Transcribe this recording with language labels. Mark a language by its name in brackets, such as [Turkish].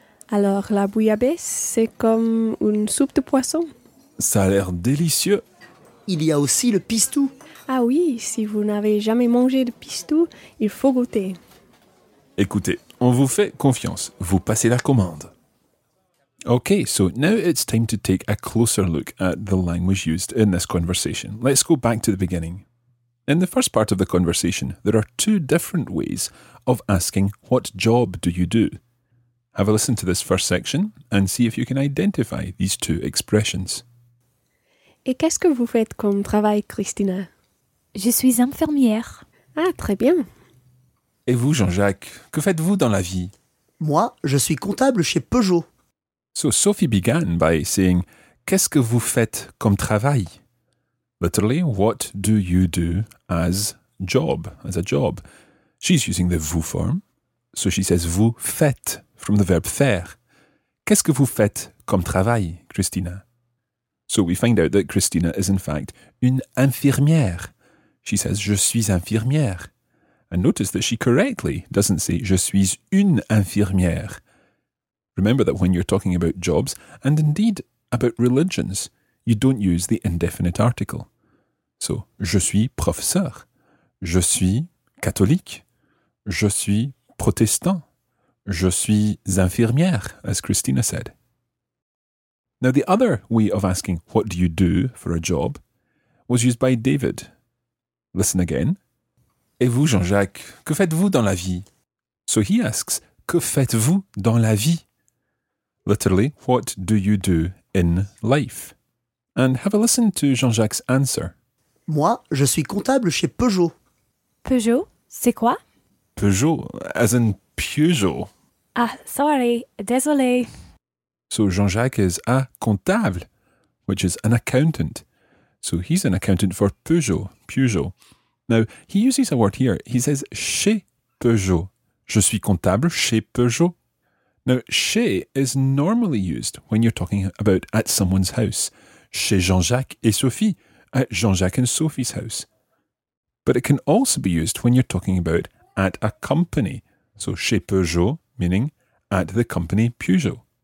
[French] Alors, la bouillabaisse, c'est comme une soupe de poisson. Ça a l'air délicieux. Il y a aussi le pistou. Ah oui, si vous n'avez jamais mangé de pistou, il faut goûter. Écoutez, on vous fait confiance. Vous passez la commande. [English] OK, so now it's time to take a closer look at the language used in this conversation. Let's go back to the beginning. In the first part of the conversation, there are 2 different ways of asking what job do you do? Have a listen to this first section and see if you can identify these 2 expressions. [French] Et qu'est-ce que vous faites comme travail, Christina? Je suis infirmière. Ah, très bien. Et vous, Jean-Jacques, que faites-vous dans la vie? Moi, je suis comptable chez Peugeot. [English] So Sophie began by saying, [French] qu'est-ce que vous faites comme travail? [English] Literally, what do you do as job as a job. She's using the vous form, so she says [French] vous faites [English] from the verb faire. [French] Qu'est-ce que vous faites comme travail, [English] Christina? So we find out that Christina is in fact [French] une infirmière. [English] She says [French] je suis infirmière. [English] And notice that she correctly doesn't say [French] je suis une infirmière. [English] Remember that when you're talking about jobs, and indeed about religions, you don't use the indefinite article. [French] So, je suis professeur. Je suis catholique. Je suis protestant. Je suis infirmière, [English] as Christina said. Now, the other way of asking what do you do for a job was used by David. Listen again. [French] Et vous, Jean-Jacques, que faites-vous dans la vie? [English] So he asks, [French] que faites-vous dans la vie? [English] Literally, what do you do in life? And have a listen to Jean-Jacques' answer. [French] Moi, je suis comptable chez Peugeot. Peugeot, c'est quoi? [English] Peugeot, as in Peugeot. Ah, sorry, [French] désolé. [English] So Jean-Jacques is a comptable, which is an accountant. So he's an accountant for Peugeot, Peugeot. Now, he uses a word here. He says [French] chez Peugeot. Je suis comptable chez Peugeot. [English] Now, chez is normally used when you're talking about at someone's house. [French] Chez Jean-Jacques et Sophie, [English] at Jean-Jacques and Sophie's house. But it can also be used when you're talking about at a company. So, [French] chez Peugeot, [English] meaning at the company Peugeot.